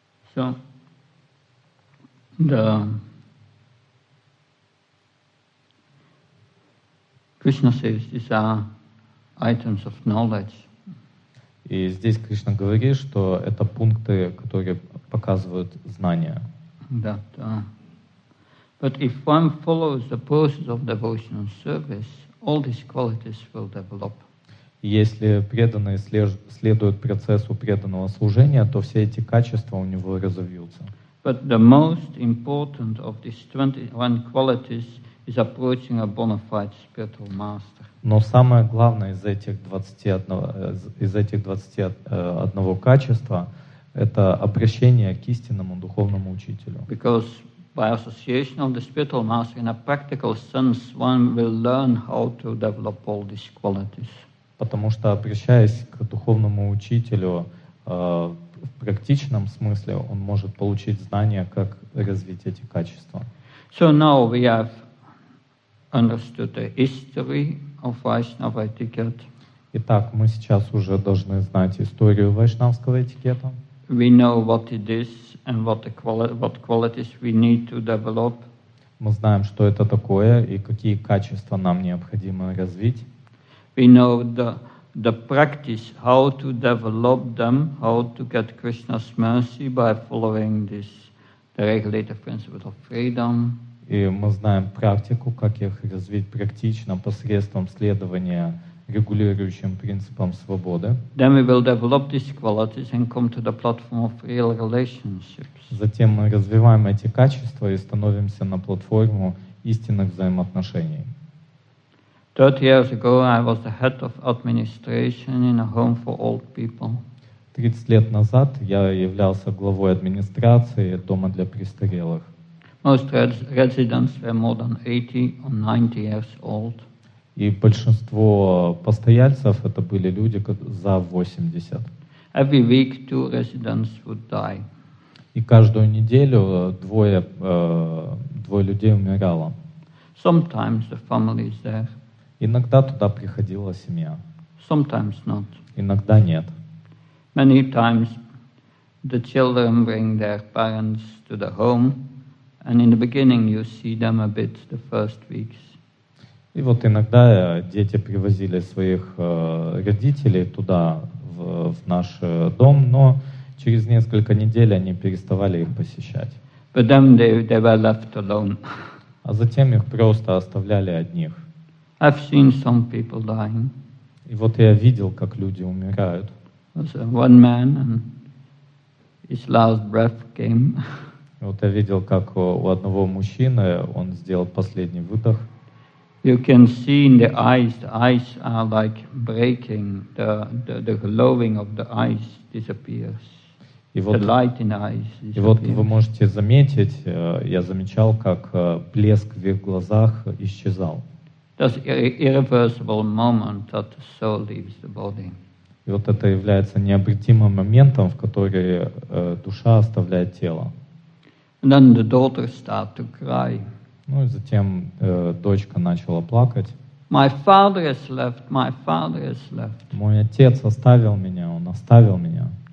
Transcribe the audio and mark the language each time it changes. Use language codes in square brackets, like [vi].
[ru] Все. Да. [en] Krishna says these are items of knowledge. [ru] И здесь Кришна говорит, что это пункты, которые показывают знания. [en] That, but if one follows the process of devotional service, all these qualities will develop. [ru] Если преданный следует процессу преданного служения, то все эти качества у него разовьются. [en] But the most important of these 21 qualities is approaching a bona fide spiritual master. [ru] Но самое главное из этих 21 качества — это обращение к истинному духовному учителю. [en] Because by association of the spiritual master, in a practical sense, one will learn how to develop all these qualities. [ru] Потому что, обращаясь к духовному учителю в практичном смысле, он может получить знания, как развить эти качества. [en] So now we have understood the history of Vaishnava etiquette. [ru] Итак, мы сейчас уже должны знать историю вайшнавского этикета. [en] We know what it is and what qualities we need to develop. [ru] Мы знаем, что это такое и какие качества нам необходимо развить. [en] We know the practice, how to develop them, how to get Krishna's mercy by following this the regulative principle of freedom. [ru] И мы знаем практику, как их развить практично посредством следования регулирующим принципам свободы. [en] Then we will develop these qualities and come to the platform of real relationships. [ru] Затем мы развиваем эти качества и становимся на платформу истинных взаимоотношений. [en] 30 years ago I was the head of administration in a home for old people. [ru] 30 лет назад я являлся главой администрации дома для престарелых. [en] Most residents were more than 80 or 90 years old. [ru] И большинство постояльцев это были люди за 80. [en] Every week two residents would die. [ru] И каждую неделю двое людей умирало. [en] Sometimes the family is there. [ru] Иногда туда приходила семья. [en] Sometimes not. [ru] Иногда нет. [en] Many times the children bring their parents to the home, and in the beginning you see them a bit the first weeks. [ru] И вот иногда дети привозили своих родителей туда в наш дом, но через несколько недель они переставали их посещать. [en] But then they were left alone. [ru] А затем их просто оставляли одних. [en] I've seen some people dying. [ru] И вот я видел, как люди умирают. [en] One man and his last breath came. [ru] Вот я видел, как у одного мужчины он сделал последний выдох. [en] You can see in the eyes are like breaking, the glowing of the eyes disappears. [ru] И вот, [en] the light in the eyes disappears. [ru] И вот вы можете заметить, я замечал, как блеск в их глазах исчезал. [en] That's irreversible moment that the soul leaves the body. [ru] И вот это является необратимым моментом, в который душа оставляет тело. [en] And then the daughter started to cry. [ru] Ну и затем дочка начала плакать. [en] My father has left, my father has left. [ru] Мой отец оставил меня, он оставил меня.